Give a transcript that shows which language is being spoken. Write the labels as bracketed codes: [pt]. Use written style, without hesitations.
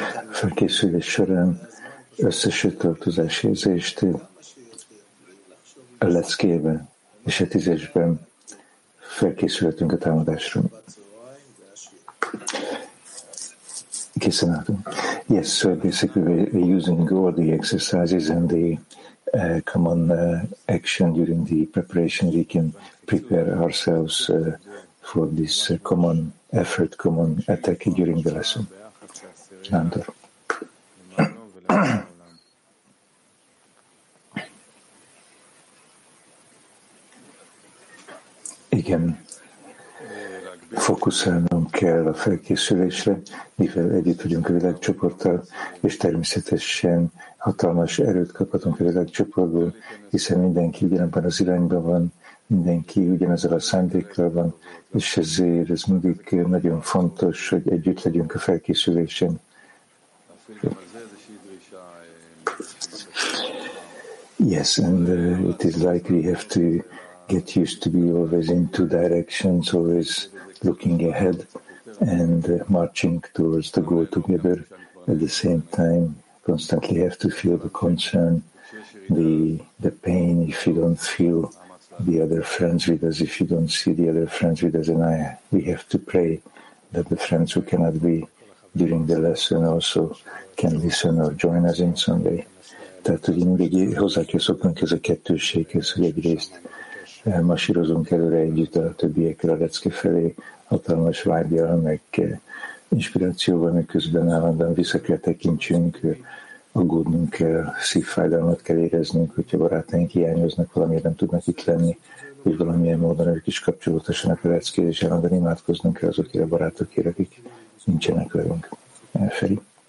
[hu] Felkészülés során összesült tartozás érzést a leckében és a tízesben felkészülhetünk a támadásra. Készen. [en] Yes, so basically we're using all the exercises and the common action during the preparation, we can prepare ourselves for this common effort, common attack during the lesson. Andor. [hu] Igen, fókuszálnom kell a felkészülésre, mivel együtt vagyunk a világcsoporttal, és természetesen hatalmas erőt kaphatunk a világcsoportból, hiszen mindenki ugyanabban az irányban van, mindenki ugyanazzal a szándékkal van, és ezért ez mindig nagyon fontos, hogy együtt legyünk a felkészülésen. [en] Yes, and it is like we have to get used to be always in two directions, always looking ahead and marching towards the goal together. At the same time, constantly have to feel the concern, the pain if you don't feel the other friends with us, if you don't see the other friends with us. And we have to pray that the friends who cannot be during the lesson also can listen or join us in some way. [hu] Tehát, hogy mindig hozzá kell szoknunk ez a kettősséghez, hogy egyrészt masírozunk előre együtt a többiekkel a lecke felé, hatalmas vágyal, meg inspirációval, miközben állandóan vissza kell tekintsünk, aggódnunk kell, szívfájdalmat kell éreznünk, hogyha barátaink hiányoznak, valamiért nem tudnak itt lenni, és valamilyen módon ők is kapcsolódhassanak a leckére, és állandóan imádkoznunk kell azokért a barátokért, akik nincsenek velünk. Feri.